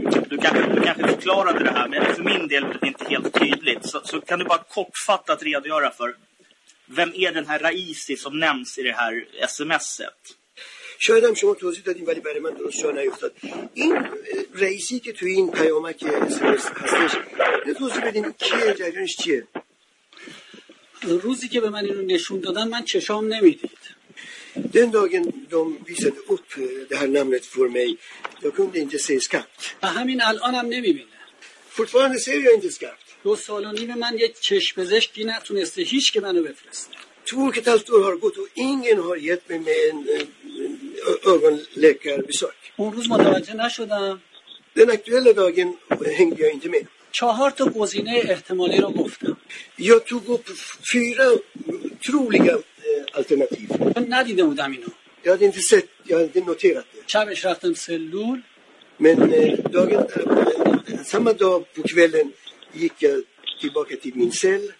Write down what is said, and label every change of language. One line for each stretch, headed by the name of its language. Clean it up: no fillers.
Swedish: Du kanske förklarade det här, men för min del är det inte helt tydligt. Så kan du bara kortfattat redogöra för vem är den här Raisi som nämns i det här sms-et?
Persian: شاید هم شما توضیح دادیم ولی برای من درست جا نیفتاد. این رئیسی که توی این پیامک اسمس هستش توضیح بدین کیه، جریانش چیه؟ روزی که به من اینو نشون دادن من چشام نمیدید.
Swedish: Den dagen de visade upp det här namnet för mig, jag kunde inte se skarpt.
Persian: همین الانم نمیبینه.
Swedish: Fortfarande ser jag inte skarpt.
Persian: دو سال و نیم من یک چشم‌پزشکی نتونسته هیچ که منو بفرسته.
Swedish: Två och ett halvt år har gått och ingen har gett mig med en ögonläkarbesök.
Persian: اون روز متوجه نشدم.
Swedish: Den aktuella dagen hängde jag inte med.
Persian: چهار تا گزینه احتمالی رو گفتم.
Swedish: Jag tog upp fyra troliga alternativ.
Persian: من ندیده بودم اینو.
Swedish: Jag hade inte noterat det.
Persian: چمش رفتم سلول.
Swedish: Men dagen samma dag på kvällen gick jag tillbaka till min cell.